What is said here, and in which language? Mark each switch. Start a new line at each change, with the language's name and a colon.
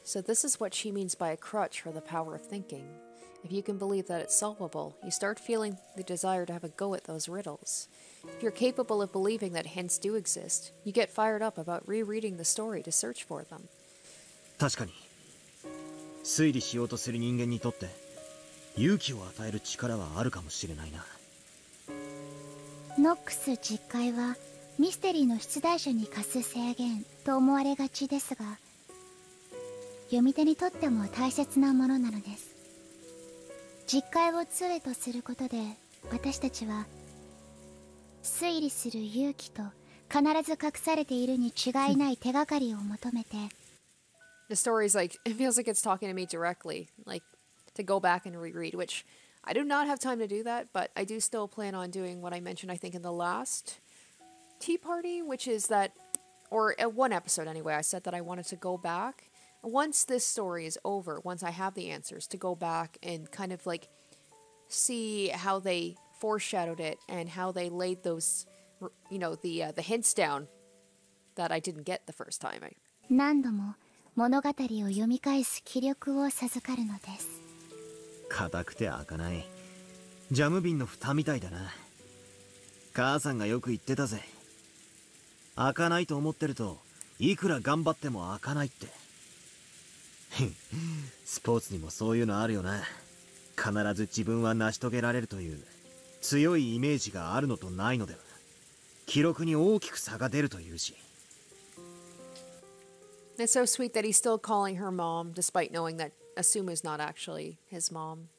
English: So this is what she means by a crutch for the power of thinking. If you can believe that it's solvable, you start feeling the desire to have a go at those riddles. If you're capable of believing that hints do exist, you get fired up about rereading the story to search for them.
Japanese: 確かに、推理しようとする人間にとって勇気を与える力はあるかもしれないな。ノックス実戒はミステリーの出題者に課す制限と思われがちですが、読み手にとっても大切なものなのです。実戒を杖とすることで、私たちは推理する勇気と必ず隠されているに違いない手がかりを求めて、
English: The story is like, it feels like it's talking to me directly, like to go back and reread, which I do not have time to do that, but I do still plan on doing what I mentioned, I think, in the last tea party, which is that, or at one episode anyway, I said that I wanted to go backOnce this story is over, once I have the answers, to go back and kind of like see how they foreshadowed it and how they laid those, you know, the hints down that I didn't get the first time.
Japanese: 何度も物語を読み返す気力を授かるのです。硬くて開かないジャム瓶の蓋みたいだな。母さんがよく言ってたぜ。開かないと思ってるといくら頑張っても開かないって。スポーツにもそういうのあるよな。必ず自分は成し遂げられるという強いイメージがあるのとないのでは、記録に大きく差が出るというし。
English: It's so sweet that he's still calling her mom despite knowing that assume is not actually his mom.